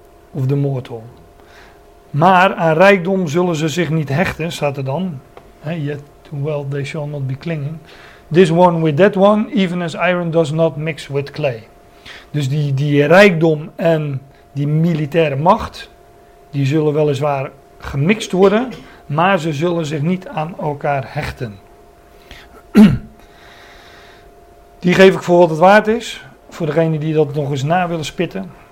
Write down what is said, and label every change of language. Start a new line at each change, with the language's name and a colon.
Dutch: Of de mortal. Maar aan rijkdom zullen ze zich niet hechten, staat er dan.
English: Yet to wealth they shall not be clinging. This one with that one, even as iron does not mix with clay.
Dutch: Dus die rijkdom en die militaire macht, die zullen weliswaar gemixt worden, maar ze zullen zich niet aan elkaar hechten. Die geef ik voor wat het waard is, voor degenen die dat nog eens na willen spitten.